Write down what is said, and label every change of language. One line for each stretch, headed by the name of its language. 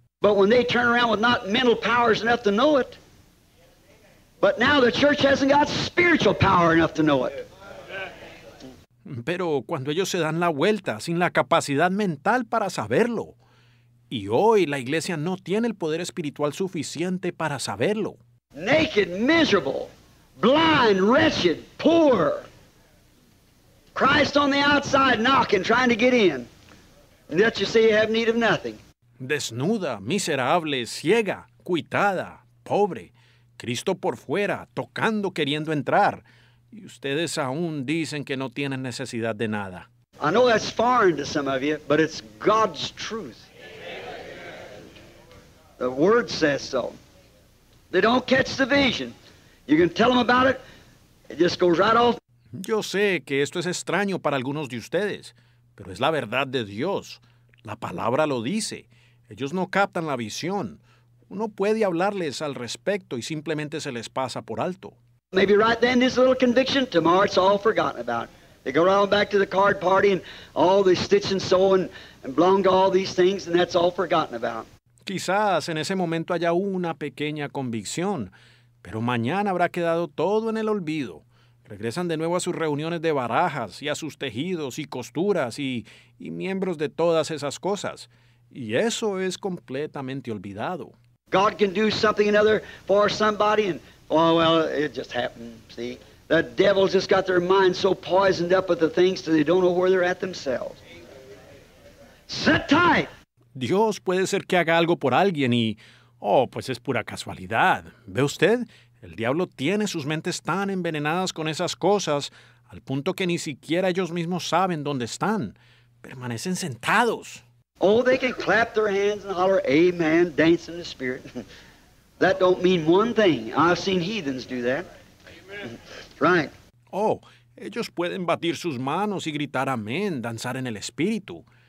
English: But when they turn around with not mental powers enough to know it, but now the church hasn't got spiritual power enough to know it.
Spanish: Pero cuando ellos se dan la vuelta sin la capacidad mental para saberlo, y hoy la iglesia no tiene el poder espiritual suficiente para saberlo.
English: Naked, miserable, blind, wretched, poor. Christ on the outside knocking, trying to get in. And yet you say you have need of nothing.
Spanish: Desnuda, miserable, ciega, cuitada, pobre. Cristo por fuera, tocando, queriendo entrar. Y ustedes aún dicen que no tienen necesidad de nada.
English: I know that's foreign to some of you, but it's God's truth. The word says so. They don't catch the vision. You can tell them about it, it just goes right off.
Spanish: Yo sé que esto es extraño para algunos de ustedes, pero es la verdad de Dios. La palabra lo dice. Ellos no captan la visión. Uno puede hablarles al respecto y simplemente se les pasa por alto.
English: Maybe right then there's a little conviction. Tomorrow it's all forgotten about. They go around back to the card party and all the stitch and sew and belong to all these things and that's all forgotten about.
Spanish: Quizás en ese momento haya una pequeña convicción, pero mañana habrá quedado todo en el olvido. Regresan de nuevo a sus reuniones de barajas y a sus tejidos y costuras y miembros de todas esas cosas. Y eso es completamente olvidado.
English: God can do something another for somebody and, well, it just happened, see. The devil's just got their mind so poisoned up with the things that they don't know where they're at themselves. Sit tight!
Spanish: Dios puede ser que haga algo por alguien y, oh, pues es pura casualidad. ¿Ve usted? El diablo tiene sus mentes tan envenenadas con esas cosas al punto que ni siquiera ellos mismos saben dónde están. Permanecen sentados.
English: Oh, they can clap their hands and holler, amen, dance in the spirit. That don't mean one thing. I've seen heathens do that. Amen. Right.
Spanish: Oh, ellos pueden batir sus manos y gritar amén, danzar en el espíritu.